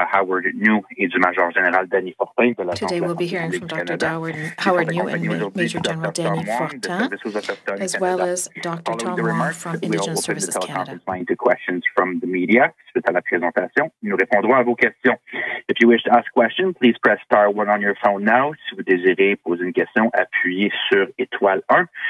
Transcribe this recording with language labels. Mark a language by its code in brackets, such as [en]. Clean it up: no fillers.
[fr] Howard Njoo et du Major Général Dany Fortin de la [en] Today, we'll be hearing from Dr. Howard Njoo and Major General Dany Fortin, as well as Dr. Tom Wong from Indigenous Services Canada. We'll open to questions from the media. [fr] Suite à la présentation, nous répondrons à vos questions. [en] If you wish to ask a question, please press star 1 on your phone now. [fr] Si vous désirez poser une question, appuyez sur étoile 1.